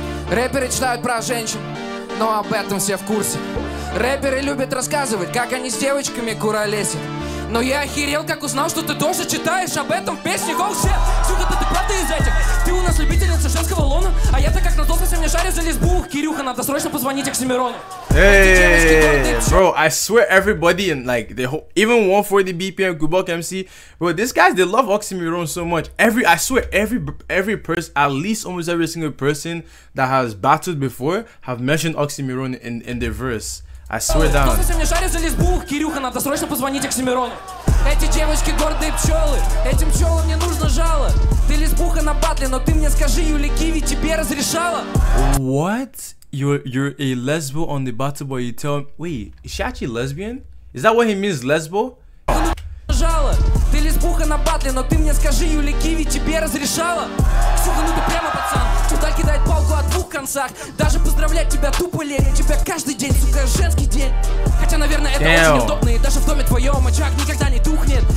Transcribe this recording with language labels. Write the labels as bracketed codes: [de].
[ru] Рэперы читают про женщин. Но об этом все в курсе. Рэперы любят рассказывать, как они с девочками куролесят. Но я охерел, как узнал, что ты тоже читаешь об этом в песне. Оу, сет! Сука, ты правда из этих? Ты у нас любительница женского лона. А я-то как на толпе со мной шарю за лесбух. Кирюха, надо срочно позвонить Оксимирону. [en] Bro, I swear everybody in like the whole, even 140 BPM Kubok MC, bro, these guys, they love Oxymiron so much. I swear every person, at least almost every single person that has battled before have mentioned Oxymiron in their verse. I swear down. [ru] Кто-то со мной шарит за лесбух, Кирюха, надо срочно позвонить Оксимирону. Эти девочки гордые пчелы, этим пчелам не нужно жало. Ты лесбуха на батле, но ты мне скажи, Юли Киви тебе разрешала. [en] What? You're a lesbo on the battle, but you tell... Wait, is she actually lesbian? Is that what he means, lesbo? [ru] Жало. Ты лесбуха на батле, но ты мне скажи, Юли Киви тебе разрешала. Сука, ну ты прямо пацан. ЧУРДАЛЬ кидает палку от двух концах. Даже поздравлять тебя тупо лень. У тебя каждый день, сука, женский день. Хотя, наверное, это очень удобно. И даже в доме твоем очаг никогда не тухнет.